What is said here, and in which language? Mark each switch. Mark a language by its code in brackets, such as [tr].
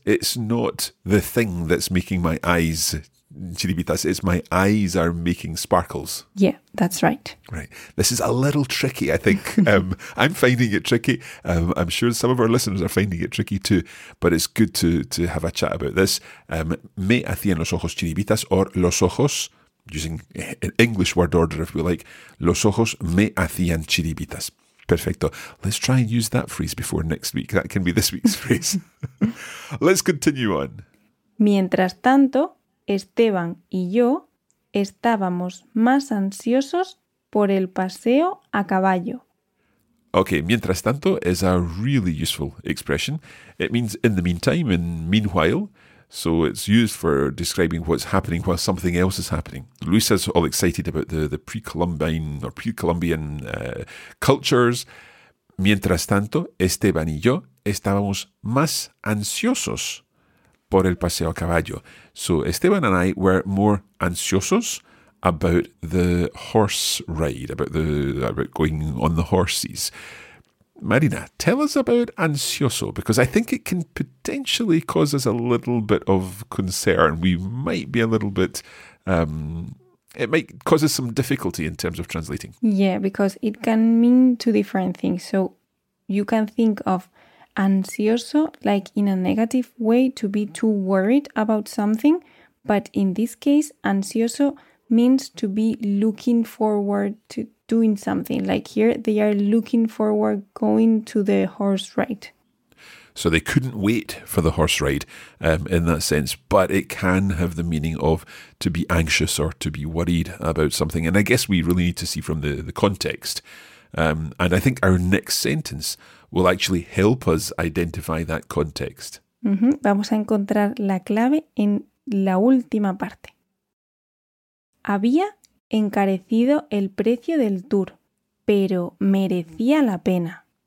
[en] It's not the thing that's making my eyes chiribitas, it's my eyes are making sparkles. Yeah, that's right. Right. This is a little tricky, I think. I'm finding it tricky. I'm sure some of our listeners are finding it tricky too, but it's good to have a chat about this. [es] Me hacían los ojos chiribitas, or los ojos, [en] using an English word order if we like, [es] los ojos me hacían chiribitas. Perfecto. [en] Let's try and use that phrase before next week. That can be this week's phrase. Let's continue on. [es] Mientras tanto, Esteban y yo estábamos más ansiosos por el paseo a caballo. [en] Okay, mientras tanto is a really useful expression. It means in the meantime, in meanwhile. So it's used for describing what's happening while something else is happening. Luisa's all excited about the pre-Columbine or pre-Columbian cultures. [es] Mientras tanto, Esteban y yo estábamos más ansiosos por el paseo a caballo. [en] So Esteban and I were more ansiosos about the horse ride, about going on the horses. Marina, tell us about ansioso, because I think it can potentially cause us a little bit of concern. We might be a little bit, it might cause us some difficulty in terms of translating. Yeah, because it can mean two different things. So you can think of ansioso, like in a negative way, to be too worried about something. But in this case, ansioso means to be looking forward to doing something. Like here, they are looking forward going to the horse ride. So they couldn't wait for the horse ride in that sense. But it can have the meaning of to be anxious or to be worried about something. And I guess we really need to see from the context. And I think our next sentence will actually help us identify that context. Mm-hmm. [es] Vamos a encontrar la clave en la última parte. Había encarecido el precio del tour, pero merecía la pena.